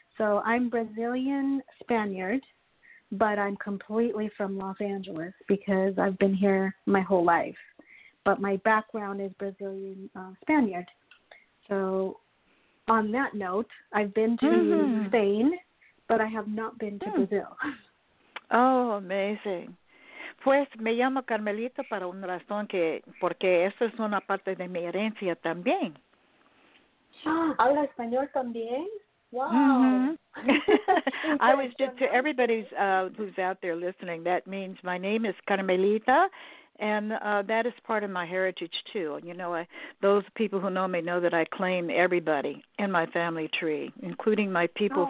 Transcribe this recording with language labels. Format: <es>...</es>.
<en>So I'm Brazilian Spaniard, but I'm completely from Los Angeles because I've been here my whole life. But my background is Brazilian Spaniard. So on that note, I've been to mm-hmm. Spain, but I have not been to mm. Brazil. Oh, amazing.</en> <es>Pues me llamo Carmelita para una razón que, porque eso es una parte de mi herencia también. Habla español también. Wow. Mm-hmm.</es> <en>I was just to everybody who's out there listening. That means my name is Carmelita, and that is part of my heritage too. You know, those people who know me know that I claim everybody in my family tree, including my people</en>